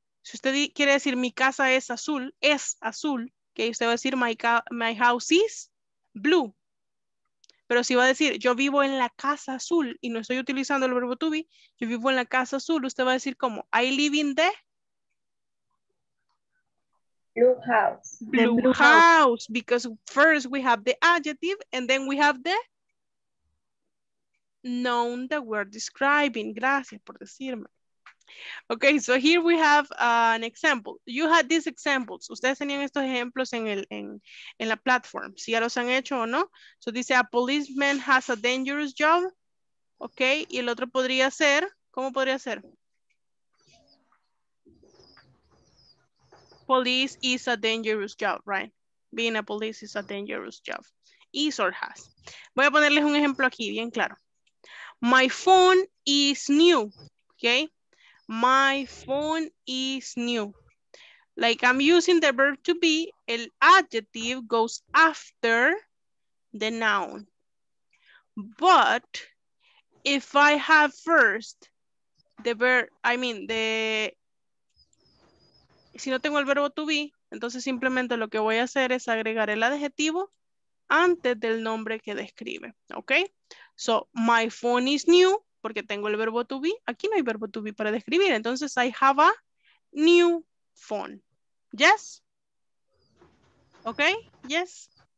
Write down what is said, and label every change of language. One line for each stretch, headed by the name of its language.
Spanish: Si usted quiere decir mi casa es azul, que ¿okay? Usted va a decir
English: my house is blue.
Spanish: Pero si va a decir yo vivo en la casa azul y no estoy utilizando el verbo to be, yo vivo en la casa azul, usted va a decir como
English: I live in the blue house. Because first we have the adjective and then we have the noun that we're describing.
Spanish: Gracias por decirme.
English: Okay, so here we have an example. You had these examples.
Spanish: Ustedes tenían estos ejemplos en la platform. Si ya los han hecho o no. So dice,
English: a policeman has a dangerous job.
Spanish: Okay, y el otro podría ser, ¿cómo podría ser?
English: Police is a dangerous job, right? Being a police is a dangerous job. Is or has.
Spanish: Voy a ponerles un ejemplo aquí, bien claro.
English: My phone is new. Okay. My phone is new. Like I'm using the verb to be, el adjective goes after the noun. But if I have first the verb, I mean, the.
Spanish: Si no tengo el verbo to be, entonces simplemente lo que voy a hacer es agregar el adjetivo antes del nombre que describe. Ok.
English: So, my phone is new.
Spanish: Porque tengo el verbo to be. Aquí no hay verbo to be para describir.
English: Entonces, I have a new phone. Yes? Ok? Yes?